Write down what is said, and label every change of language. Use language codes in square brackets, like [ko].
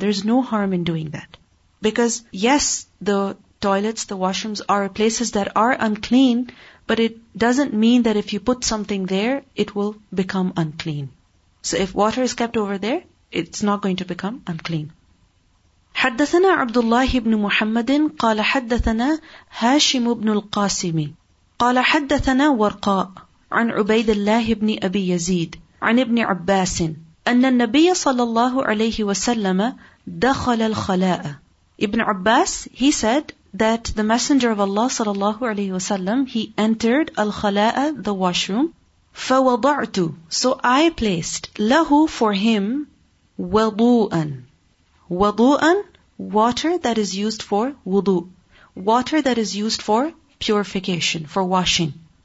[en] There's no harm in doing that. Because yes, the toilets, the washrooms are places that are unclean, But it doesn't mean that if you put something there, it will become unclean. So if water is kept over there, it's not going to become unclean. [ar] حدثنا عبد الله بن محمد قال حدثنا هاشم بن القاسم قال حدثنا ورقاء عن عبيد الله بن أبي يزيد عن ابن عباس أن النبي صلى الله عليه وسلم دخل الخلاء. [en] Ibn Abbas, he said that the Messenger of Allah sallallahu alayhi wa sallam, he entered al-khala'a, the washroom. [ar] فَوَضَعْتُ, [en] so I placed, [ar] لَهُ, [en] for him, [ar] وَضُوءًا. [en] وَضُوءًا, water that is used for wudu, water that is used for purification, for washing.